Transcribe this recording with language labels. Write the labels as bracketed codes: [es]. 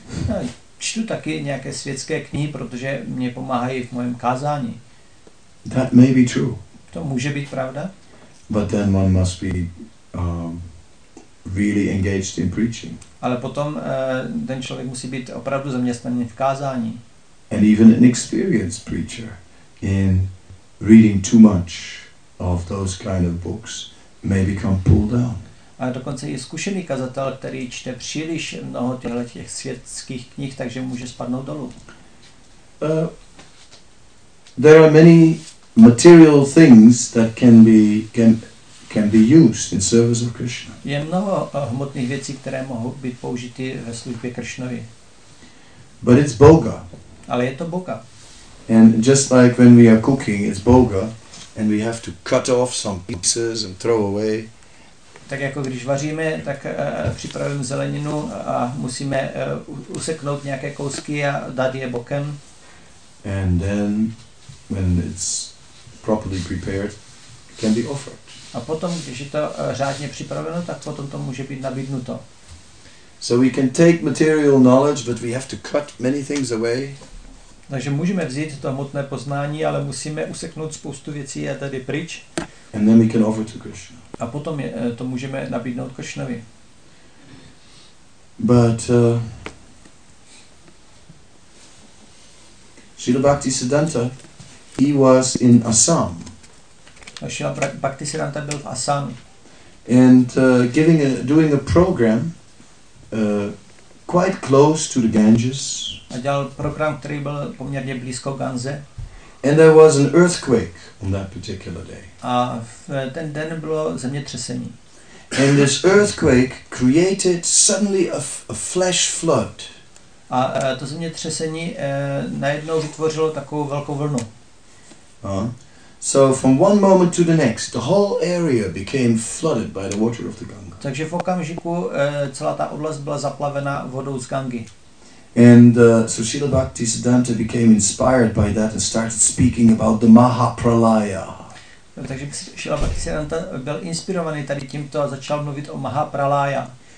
[cs] No, čtu taky nějaké světské knihy, protože mě pomáhají v mém kázání. [en] That may be true. [cs] To může být pravda. [en] But then one must be really engaged in preaching. [cs] Ale potom ten člověk musí být opravdu zaměstnaný v kázání. [en] And even an experienced preacher in reading too much of those kind of books may become pulled down. [cs] A dokonce i zkušený kazatel, který čte příliš mnoho těch světských knih, takže může spadnout dolů. [en] There are many material things that can be used in service of Krishna. [cs] Je mnoho hmotných věcí, které mohou být použity ve službě Krishnovi. [en] But it's boga. [cs] Ale je to boga. [en] And just like when we are cooking, it's boga, and we have to cut off some pieces and throw away. [cs] Tak jako když vaříme, tak připravím zeleninu a musíme useknout nějaké kousky a dát je bokem. [en] And then, when it's properly prepared, it can be offered. [cs] A potom, když je to řádně připraveno, tak potom to může být nabídnuto. [en] So we can take material knowledge, but we have to cut many things away. [cs] Takže můžeme vzít to hmotné poznání, ale musíme useknout spoustu věcí a tady pryč. [en] And then we can offer to Krishna. [cs] A potom to můžeme nabídnout Krishnovi. [en] But Srila Bhaktisiddhanta, he was in Assam. [cs] A Srila Bhaktisiddhanta byl v Assam. [en] And doing a program quite close to the Ganges. [cs] A dělal program, který byl poměrně blízko Ganze. [en] And there was an earthquake on that particular day. [cs] A ten den bylo zemětřesení. [en] And this earthquake created suddenly a flash flood. [cs] A to zemětřesení najednou vytvořilo takovou velkou vlnu. [en] So from one moment to the next, the whole area became flooded by the water of the Ganga. [cs] Takže v okamžiku celá ta oblast byla zaplavena vodou z Gangy. [en] And so Srila Bhaktisiddhanta became inspired by that and started speaking about the Mahapralaya. [cs] Takže Srila Bhaktisiddhanta byl inspirovaný tady tímto a začal mluvit o Mahapralaya.